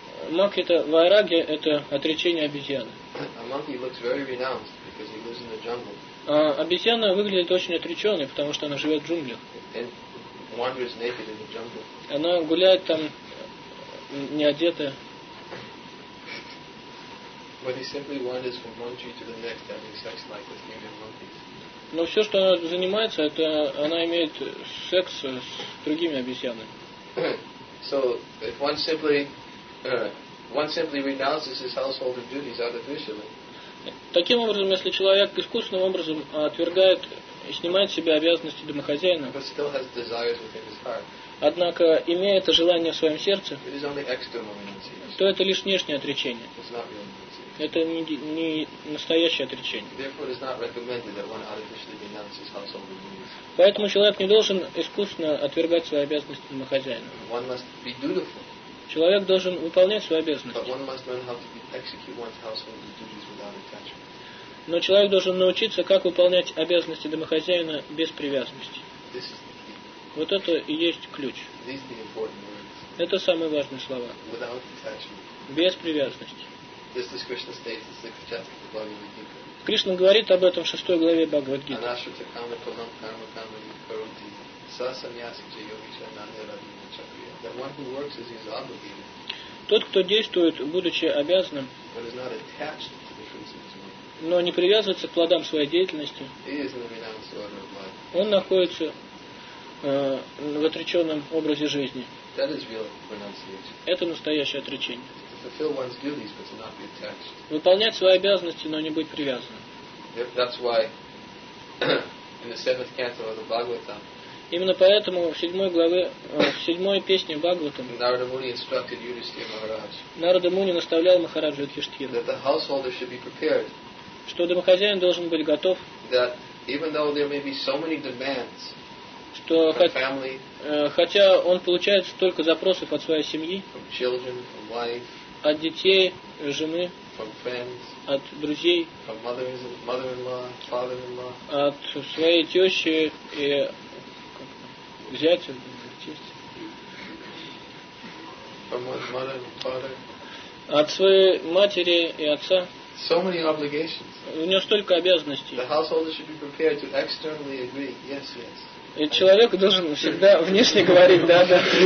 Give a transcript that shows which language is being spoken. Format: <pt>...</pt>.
<ru>Макрита Вайраги это отречение обезьяны.</ru> <en>A monkey looks very renounced because he lives in the jungle.</en> <ru>Обезьяна выглядит очень отреченной, потому что она живет в джунглях.</ru> <en>And wanders naked in the jungle.</en> <ru>Она гуляет там не одетая.</ru> <en>But he simply wanders from one tree to the next having sex like with human monkeys.</en> <ru>Но все, что она занимается, это она имеет секс с другими обезьянами.</ru> <en>So, if one simply, renounces his household duties artificially.</en> <ru>Таким образом, если человек искусственным образом отвергает и снимает с себя обязанности домохозяина,</ru> <en>but still has desires within his heart,</en> <ru>однако имея это желание в своем сердце,</ru> <en>it is only external renunciation.</en> <ru>То это лишь внешнее отречение.</ru> <en>It's not real.</en> <ru>Это не настоящее отречение.</ru> <en>Therefore, it is not recommended that one artificially renounces household duties.</en> <ru>Поэтому человек не должен искусственно отвергать свои обязанности домохозяина.</ru> <en>One must be dutiful.</en> <ru>Человек должен выполнять свои обязанности.</ru> <en>But one must learn how to execute one's household duties without attachment.</en> <ru>Но человек должен научиться, как выполнять обязанности домохозяина без привязанности.</ru> <en>This is the key.</en> <ru>Вот это и есть ключ.</ru> <en>These are the important words.</en> <ru>Это самые важные слова.</ru> <en>Without attachment.</en> <ru>Без привязанности.</ru> <en>This is Krishna states in the sixth chapter of the Bhagavad Gita.</en> <ru>Кришна говорит об этом в шестой главе Бхагавад Гиты.</ru> <sa>Anashruta kama tvam karma kama nikaroti sa sannyasi cha yogi cha nanirabhina chakriya.</sa> <en>That one who works as he is obligated.</en> <ru>Тот, кто действует, будучи обязанным,</ru> <en>but is not attached to the fruits of his work,</en> <ru>но не привязывается к плодам своей деятельности,</ru> <en>he is in the renounced order of life.</en> <ru>Он находится в отреченном образе жизни.</ru> <en>That is real renunciation.</en> <ru>Это настоящее отречение.</ru> <en>Fulfill one's duties, but to not be attached.</en> <ru>Выполнять свои обязанности, но не быть привязанным.</ru> <en>That's why in the seventh canto of the Bhagavatam.</en> <ru>Именно поэтому в седьмой главе, в седьмой песне Бхагаватам.</ru> <en>Narada Muni instructed Yudhishthira Maharaj.</en> <ru>Narada Muni наставлял Махараджу Юдхиштхира.</ru> <en>That the householder should be prepared.</en> <ru>Что домохозяин должен быть готов.</ru> <en>That even though there may be so many demands.</en> <ru>Что хотя он получает столько запросов от своей семьи,</ru> <en>from children, from wife,</en> <ru>от детей, жены,</ru> <en>from friends,</en> <ru>от друзей,</ru> <en>from mother-in-law, father-in-law,</en> <ru>от своей тещи и зятя,</ru> <en>from mother and father,</en> <ru>от своей матери и отца.</ru> <en>So many obligations.</en> <ru>У него столько обязанностей.</ru> <en>The householder should be prepared to externally agree. Yes, yes.</en> <ru>И человек должен всегда внешне говорить «да, да».</ru>